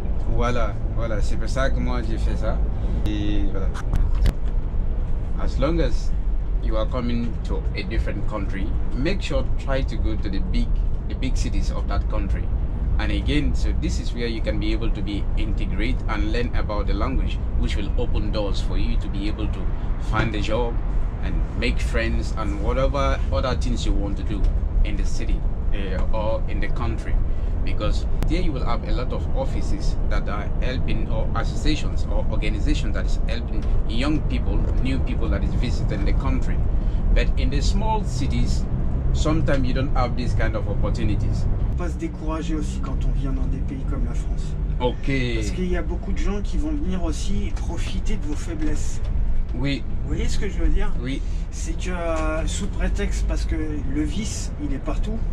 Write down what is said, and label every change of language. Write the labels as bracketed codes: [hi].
[fr] Voilà, c'est pour ça que moi j'ai fait ça. Et voilà. [en] As long as you are coming to a different country, make sure try to go to the big cities of that country. And again, so this is where you can be able to be integrate and learn about the language, which will open doors for you to be able to find a job and make friends and whatever other things you want to do in the city or in the country. Because there you will have a lot of offices that are helping, or associations or organizations that is helping young people, new people that is visiting the country. But in the small cities, sometimes you don't have these kind of opportunities. [fr] Pas se décourager aussi quand on vient dans des pays comme la France. Ok. Parce qu'il y a beaucoup de gens qui vont venir aussi profiter de vos faiblesses. Oui. Vous voyez ce que je veux dire? Oui. C'est que sous prétexte, parce que le vice, il est partout.